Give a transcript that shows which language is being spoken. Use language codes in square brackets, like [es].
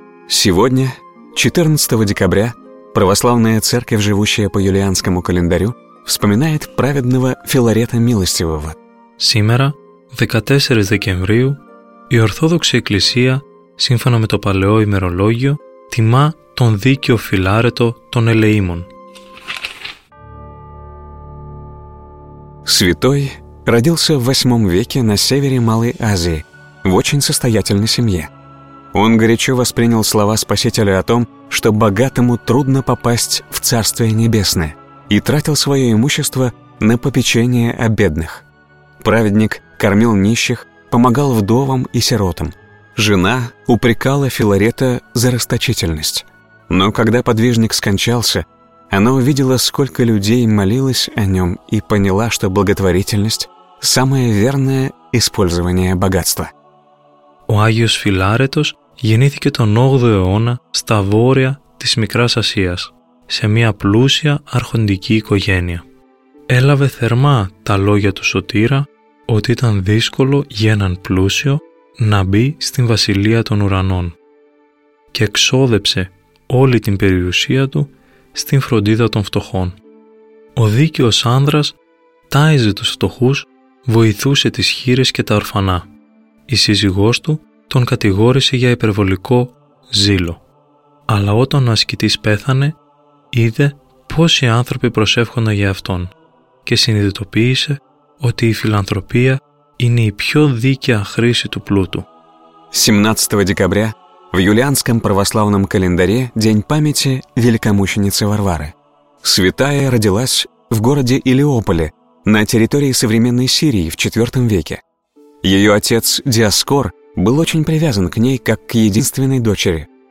[ru] Сегодня, 14 декабря, православная церковь, живущая по юлианскому календарю, вспоминает праведного Филарета Милостивого. Сегодня, 14 декабря, [el] η Ορθόδοξη Εκκλησία, σύμφωνα με το παλαιό ημερολόγιο, τιμά τον δίκαιο Φιλάρετο των Ελεήμων. [ru] Святой родился в 8 веке на севере Малой Азии, в очень состоятельной семье. Он горячо воспринял слова Спасителя о том, что богатому трудно попасть в Царствие Небесное, и тратил свое имущество на попечение о бедных. Праведник кормил нищих, помогал вдовам и сиротам. Жена упрекала Филарета за расточительность. Но когда подвижник скончался, она увидела, сколько людей молилось о нем, и поняла, что благотворительность — самое верное использование богатства. [el] Ο Άγιος Φιλάρετος γεννήθηκε τον 8ο αιώνα στα βόρεια της Μικράς Ασίας, σε μια πλούσια αρχοντική οικογένεια. Έλαβε θερμά τα λόγια του Σωτήρα ότι ήταν δύσκολο για έναν πλούσιο να μπει στην Βασιλεία των Ουρανών και εξόδεψε όλη την περιουσία του στην φροντίδα των φτωχών. Ο δίκαιος άνδρας τάιζε τους φτωχούς, βοηθούσε τις χείρες και τα ορφανά. Η σύζυγός του τον κατηγόρησε για υπερβολικό ζήλο. Αλλά όταν ο ασκητής πέθανε, είδε πόσοι άνθρωποι προσεύχονταν για αυτόν και συνειδητοποίησε ότι η φιλανθρωπία είναι η πιο δίκαια χρήση του πλούτου. 17 Δεκεμβρίου, [ru] в юлианском православном календаре день памяти великомученицы Варвары. Святая родилась в городе Илиополе на территории современной Сирии в 4 веке. Ее отец Диаскор был очень привязан к ней как к единственной дочери.